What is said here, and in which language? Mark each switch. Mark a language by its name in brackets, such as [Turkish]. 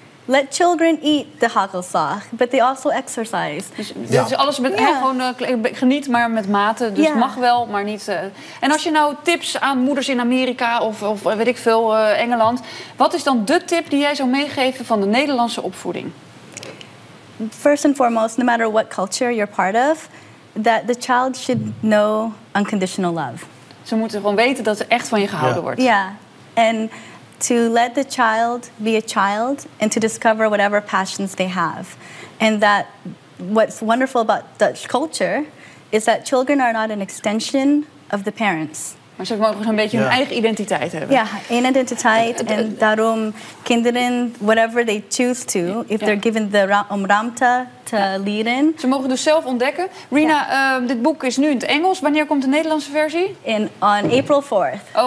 [English] Let children eat the hagelslag, but they also exercise. [Dutch] Dus ja. Alles met gewoon geniet, maar met mate. Dus mag wel, maar niet... En als je nou tips aan moeders in Amerika of weet ik veel, Engeland... Wat is dan de tip die jij zou meegeven van de Nederlandse opvoeding? [English] First and foremost, no matter what culture you're part of... that the child should know unconditional love. [Dutch] Ze moeten gewoon weten dat ze echt van je gehouden wordt. Ja, en... [English] To let the child be a child and to discover whatever passions they have. And that what's wonderful about Dutch culture is that children are not an extension of the parents. [Dutch] Maar ze mogen zo'n beetje hun eigen identiteit hebben. Ja, een identiteit. En daarom kinderen, [English] whatever they choose to, if they're given the [Dutch] ruimte te leren. Ze mogen dus zelf ontdekken. Rina, dit boek is nu in het Engels. Wanneer komt de Nederlandse versie? [English] On April 4th.